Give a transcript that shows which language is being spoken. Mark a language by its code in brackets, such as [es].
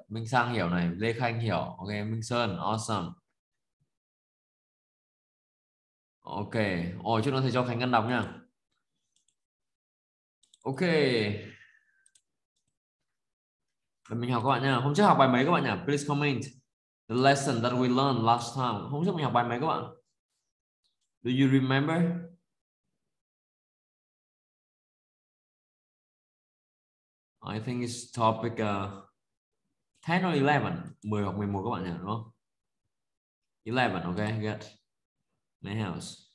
[vi] Minh Sang hiểu này, Lê Khanh hiểu. Okay, Minh Sơn, awesome. Okay. Ôi, chút nữa thầy cho Khánh Ngân đọc nhá. [en] Ok. [vi] Mình học các bạn nha. Hôm trước học bài mấy các bạn nhỉ? [en] Please comment the lesson that we learned last time. [vi] Hôm trước mình học bài mấy các bạn? [en] Do you remember? I think it's topic 10 or 11. [vi] 10 hoặc 11 các bạn nhỉ, đúng không? 11, [en] ok, good. Nice house.